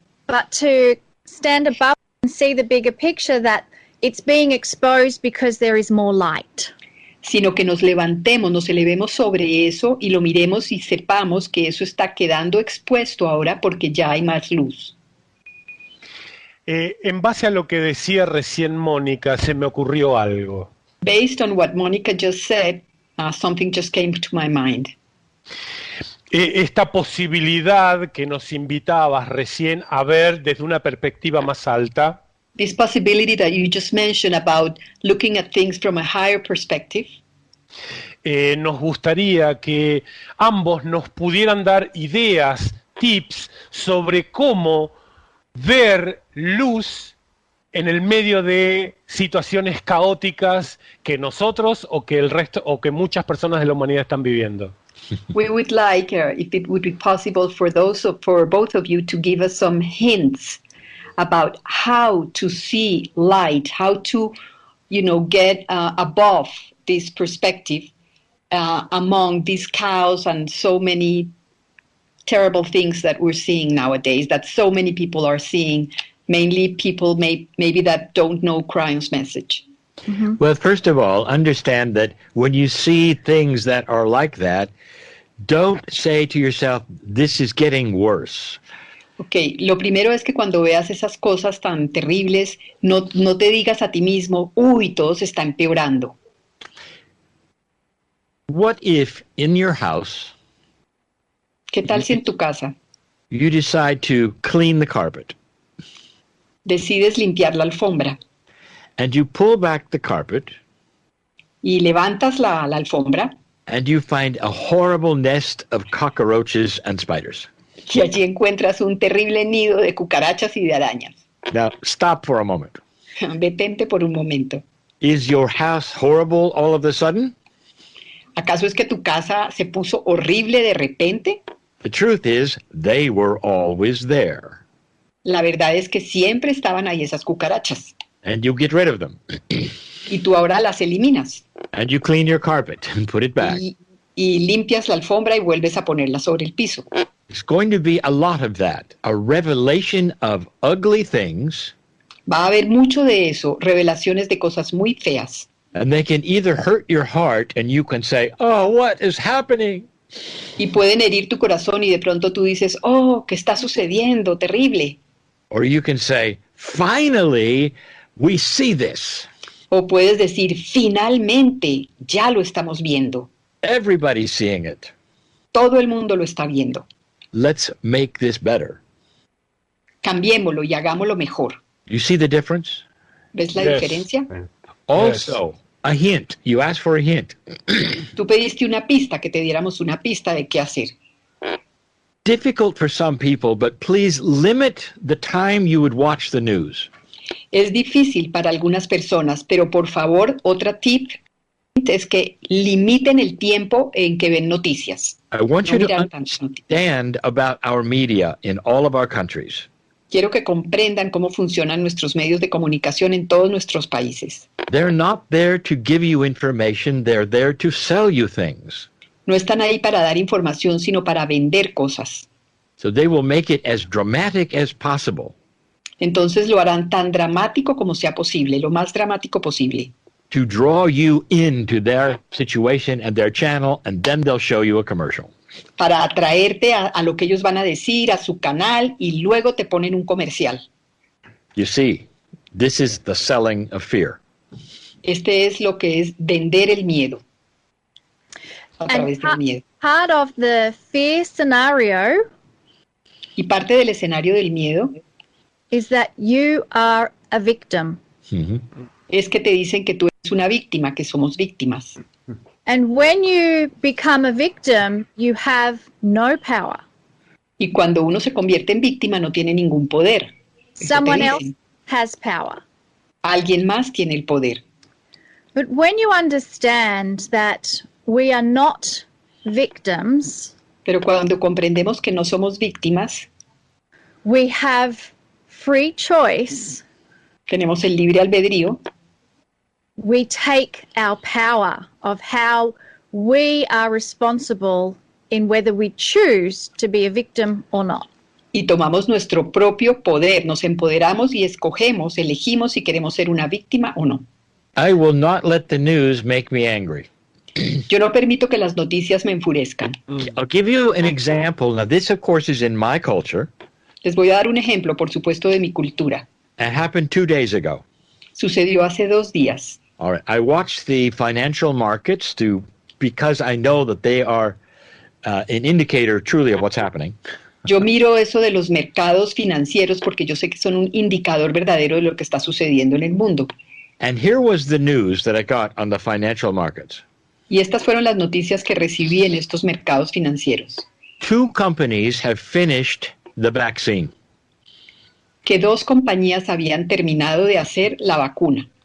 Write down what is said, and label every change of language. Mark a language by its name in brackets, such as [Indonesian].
[English] but to stand above and see the bigger picture that it's being exposed because there is more light. [Spanish] Sino que nos levantemos, nos elevemos sobre eso y lo miremos y sepamos que eso está quedando expuesto ahora porque ya hay más luz. En base a lo que decía recién Mónica, se me ocurrió algo. [English] Based on what Mónica just said, something just came to my mind. [Spanish] Esta posibilidad que nos invitabas recién a ver desde una perspectiva más alta. [English] This possibility that you just mentioned about looking at things from a higher perspective. [Spanish] Nos gustaría que ambos nos pudieran dar ideas, tips, sobre cómo ver luz en el medio de situaciones caóticas que nosotros o que el resto o que muchas personas de la humanidad están viviendo. [English] We would like if it would be possible for those of, for both of you to give us some hints about how to see light, how to, you know, get above this perspective among this chaos and so many terrible things that we're seeing nowadays, that so many people are seeing, mainly people maybe that don't know Kryon's message. Mm-hmm. Well, first of all, understand that when you see things that are like that, don't say to yourself, this is getting worse. [Spanish] Okay, lo primero es que cuando veas esas cosas tan terribles, no te digas a ti mismo, uy, todo se está empeorando. [English] What if in your house, [Spanish] ¿qué tal si en tu casa? [English] You decide to clean the carpet. [Spanish] Decides limpiar la alfombra. [English] And you pull back the carpet. [Spanish] Y levantas la alfombra. [English] And you find a horrible nest of cockroaches and spiders. [Spanish] Y allí encuentras un terrible nido de cucarachas y de arañas. [English] Now, stop for a moment. [Spanish] Detente por un momento. [English] Is your house horrible all of a sudden? [Spanish] ¿Acaso es que tu casa se puso horrible de repente? [English] The truth is, they were always there. [Spanish] La verdad es que siempre estaban ahí esas cucarachas. [English] And you get rid of them. [Spanish] Y tú ahora las eliminas. [English] And you clean your carpet and put it back. [Spanish] Y limpias la alfombra y vuelves a ponerla sobre el piso. [English] It's going to be a lot of that, a revelation of ugly things. [Spanish] Va a haber mucho de eso, revelaciones de cosas muy feas. [English] And they can either hurt your heart and you can say, oh, what is happening? [Spanish] Y pueden herir tu corazón y de pronto tú dices, oh, ¿qué está sucediendo? [English] Terrible. Or you can say, finally, we see this. [Spanish] O puedes decir, finalmente, ya lo estamos viendo. [English] Everybody's seeing it. [Spanish] Todo el mundo lo está viendo. [English] Let's make this better. [Spanish] Cambiémoslo y hagámoslo mejor. [English] You see the difference? [Spanish] ¿Ves la diferencia? [English] Also, a hint. You ask for a hint. [Spanish] Tú pediste una pista, que te diéramos una pista de qué hacer. [English] Difficult for some people, but please limit the time you would watch the news. [Spanish] Es difícil para algunas personas, pero por favor, otra tip es que limiten el tiempo en que ven noticias. [English] I want you to understand about our media in all of our countries. [Spanish] Quiero que comprendan cómo funcionan nuestros medios de comunicación en todos nuestros países. [English] They're not there to give you information, they're there to sell you things. [Spanish] No están ahí para dar información, sino para vender cosas. [English] So they will make it as dramatic as possible. [Spanish] Entonces lo harán tan dramático como sea posible, lo más dramático posible. [English] To draw you into their situation and their channel, and then they'll show you a commercial. [Spanish] Para atraerte a lo que ellos van a decir, a su canal, y luego te ponen un comercial. [English] You see, this is the selling of fear. [Spanish] Este es lo que es vender el miedo. [English] Part of the fear scenario. [Spanish] Y parte del escenario del miedo. [English] Is that you are a victim. Mm-hmm. [Spanish] Es que te dicen que tú es una víctima, que somos víctimas. [English] And when you become a victim, you have no power. [Spanish] Y cuando uno se convierte en víctima, no tiene ningún poder. [English] Someone else has power. [Spanish] Alguien más tiene el poder. [English] But when you understand that we are not victims, [Spanish] pero cuando comprendemos que no somos víctimas, [English] we have free choice. [Spanish] Tenemos el libre albedrío. [English] We take our power of how we are responsible in whether we choose to be a victim or not. [Spanish] Y tomamos nuestro propio poder, nos empoderamos y escogemos, elegimos si queremos ser una víctima o no. [English] I will not let the news make me angry. [Spanish] Yo no permito que las noticias me enfurezcan. [English] I'll give you an example. Now, this, of course, is in my culture. [Spanish] Les voy a dar un ejemplo, por supuesto, de mi cultura. [English] It happened 2 days ago. [Spanish] Sucedió hace 2 días. [English] All right. I watched the financial markets because I know that they are an indicator truly of what's happening. [Spanish] Yo miro eso de los mercados financieros porque yo sé que son un indicador verdadero de lo que está sucediendo en el mundo. [English] And here was the news that I got on the financial markets. [Spanish] Y estas fueron las noticias que recibí en estos mercados financieros. [English] Two companies have finished the vaccine. [Spanish] Que dos compañías habían terminado de hacer la vacuna.